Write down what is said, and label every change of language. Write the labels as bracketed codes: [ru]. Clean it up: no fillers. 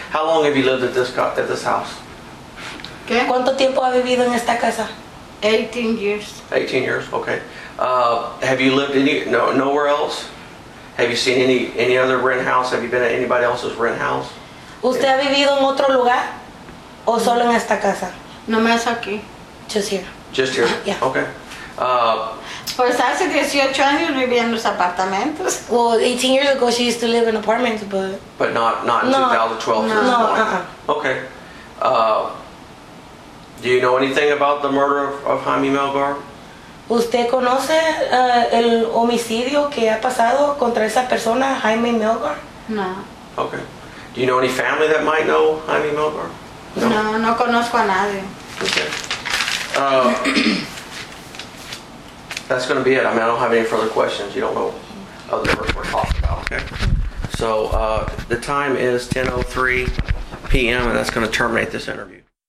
[en] How long have you lived at this house? [es] ¿Qué? ¿Cuánto tiempo ha vivido en esta casa? [en] 18 years. 18 years, okay. Have you lived nowhere else? Have you seen any other rent house? Have you been at anybody else's rent house? [es] ¿Usted ha vivido en otro lugar o solo en esta casa? No más aquí. [en] Just here. Just here? Yeah. Okay. [es] Pues hace 18 años vivía en los apartamentos. [en] Well, 18 years ago she used to live in apartments, but... But not in 2012? No, no, uh-uh. Okay. Do you know anything about the murder of Jaime Melgar? [es] ¿Usted conoce el homicidio que ha pasado contra esa persona, Jaime Melgar? No. [en] Okay. Do you know any family that might know Jaime Melgar? [es] No, no conozco a nadie. [en] That's going to be it. I mean, I don't have any further questions. You don't know other work we're talking about. Okay. So the time is 10:03 p.m., and that's going to terminate this interview.